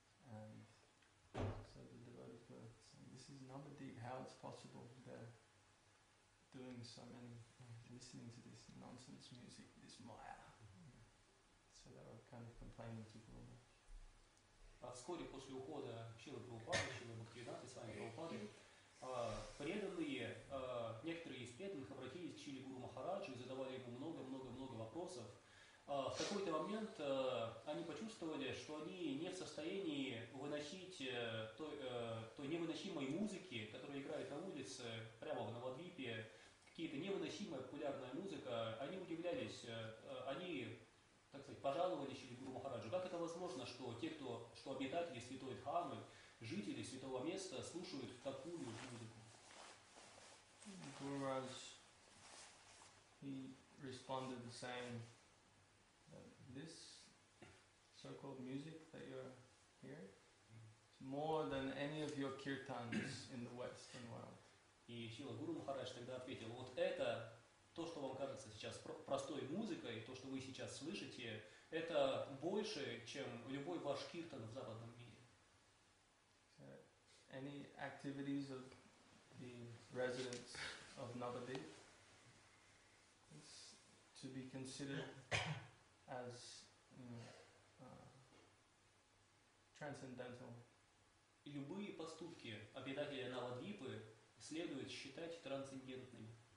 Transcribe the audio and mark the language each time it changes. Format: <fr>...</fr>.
<en>And so the devotees were saying, this is Namadeep, how it's possible they're doing so many, listening to this nonsense music, this maya. So they were kind of complaining to Guru Maharaj.</en> <ru>Вскоре после ухода Шрилы Прабхупады, Шрилы Бхактивинаты, с вами Прабхупады, преданные, некоторые из преданных обратились к Шриле Гуру Махараджу и задавали ему много-много-много вопросов. В какой-то момент они почувствовали, что они не в состоянии выносить той невыносимой музыки, которая играет на улице, прямо в Навадвипе, какие-то невыносимая популярная музыка. Они удивлялись, они, так сказать, пожаловались Шриле Гуру Махараджу. Как это возможно, что те, кто, что обитатели Святой Дхамы, жители святого места, слушают такую музыку?</ru> <en>Guru Maharaj, he responded the same. This so-called music that you're hearing is more than any of your kirtans in the Western world.</en> <ru>И Шрила Гуру Махарадж тогда ответил, вот это то, что вам кажется сейчас простой музыкой, то, что вы сейчас слышите, это больше, чем любой ваш киртан в западном мире.</ru> <en>So, any activities of the residents of Navadvip is to be considered as, you know, transcendental.</en> <ru>И любые поступки обитателей Навадвипы следует считать трансцендентными.</ru>